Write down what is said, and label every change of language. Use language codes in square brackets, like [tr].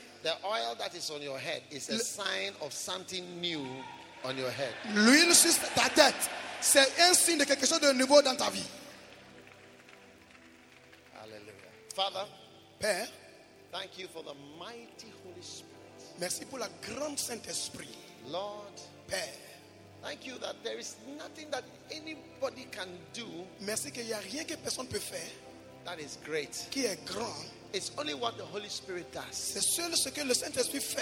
[en] The oil that is on your head is a sign of something new on your head. [fr] L'huile sur ta tête, c'est un signe de quelque chose de nouveau dans ta vie. [en] Hallelujah. Father, [fr] Père, [en] thank you for the mighty Holy Spirit. [fr] Merci pour la grande Saint-Esprit. [en] Lord, [fr] Père, [en] thank you that there is nothing that anybody can do. [fr] Merci qu'il n'y a rien que personne peut faire. [en] That is great. [fr] Qui est grand. [en] It's only what the Holy Spirit does. [fr] C'est seul ce que le Saint-Esprit fait.